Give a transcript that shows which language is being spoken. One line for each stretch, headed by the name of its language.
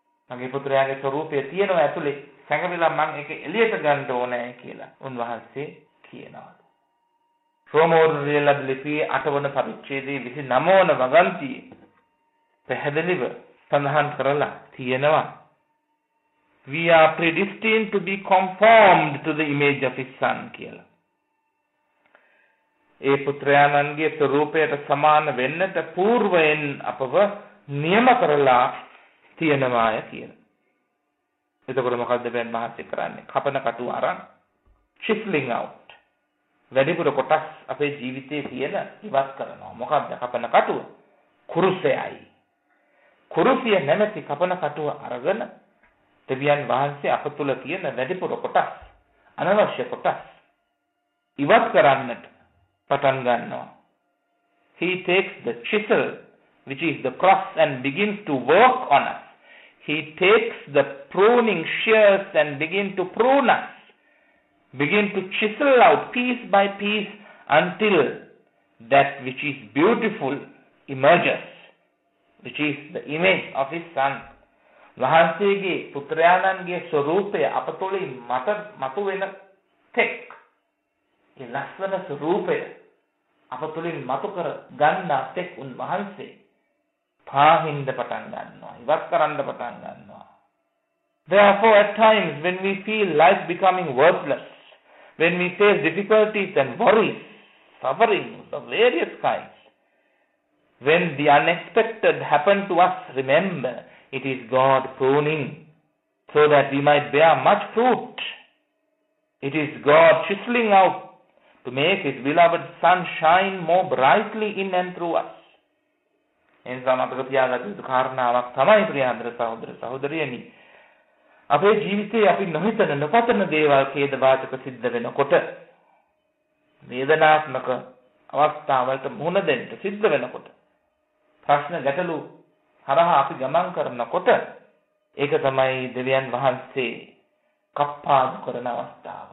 Sinhala: මගේ පුත්‍රයාගේ ස්වරූපය තියෙනවා ඇතුලේ. සැඟවිලා මම ඒක එළියට ගන්න ඕනේ කියලා උන්වහන්සේ කියනවා. රෝමෝර්දියලද ලිපි 8 වන පරිච්ඡේදයේ 29 වන වගන්තියේ පැහැදිලිව සඳහන් කරලා තියෙනවා.
English: We are predestined to be conformed to the image of his son කියලා.
Sinhala: ඒ පුත්‍රයාණන්ගේ ස්වරූපයට සමාන වෙන්නට పూర్වයෙන් අපව නියම කරලා තියෙනවාය කියලා. එතකොට මොකද්ද දැන් මහත්ය කරන්නේ? කපන කටු අරන්
English: chiseling out.
Sinhala: වැඩිපුර කොටස් අපේ ජීවිතයේ තියලා ඉවත් කරනවා. මොකද්ද කපන කටුව? කුරුසයයි. කුරුසිය නැමැති කපන කටුව අරගෙන දෙවියන් වහන්සේ අප තුළ තියෙන වැඩිපුර කොටස් අනවශ්‍ය කොටස් ඉවත් කරන්නට පටන් ගන්නවා.
English: He takes the chisel which is the cross and begins to work on us. He takes the pruning shears and begin to prune us. Begin to chisel out piece by piece until that which is beautiful emerges, which is the image of his son.
Sinhala: වහන්සේගේ පුත්‍රයාණන්ගේ ස්වරූපය අපතොලේ මතු වෙන තෙක් ඒ ලස්සන ස්වරූපය අපතොලින් මතු කර ගන්න තෙක් උන් වහන්සේ පාහින්ද පටන් ගන්නවා, ඉවත් කරන්න පටන් ගන්නවා.
English: Therefore at times when we feel life becoming worthless, when we face difficulties and worries, sufferings of various kinds, when the unexpected happen to us, remember it is God pruning so that we might bear much fruit. It is God chiseling out to make his beloved son shine more brightly in and through us.
Sinhala: එනිසා මතක තියාගන්න යුතු කාරණාවක් තමයි ප්‍රියන්දර සහෝදර සහෝදරියනි, අපේ ජීවිතයේ අපි නොහිතන නොපතන දේවල් ඛේද වාචක සිද්ධ වෙනකොට, වේදනාත්මක අවස්ථාවලට මුහුණ දෙන්න සිද්ධ වෙනකොට, ප්‍රශ්න ගැටලු හරහා අපි ගමන් කරනකොට, ඒක තමයි දෙවියන් වහන්සේ කප්පාදු කරන අවස්ථාව.